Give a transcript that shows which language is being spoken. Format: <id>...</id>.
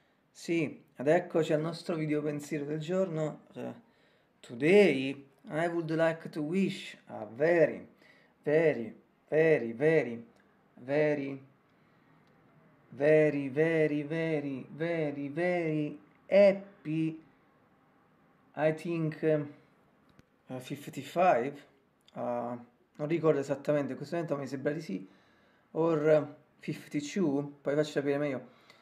<it>Sì, ed eccoci al nostro video pensiero del giorno.</it> <en>Today I would like to wish a very, very, very, very, very, very, very, very, very, very, very happy, I think, 55.</en> <it>Non ricordo esattamente, in questo momento mi sembra di sì.</it> <en>Or 52,</en> <it>poi faccio sapere meglio.</it>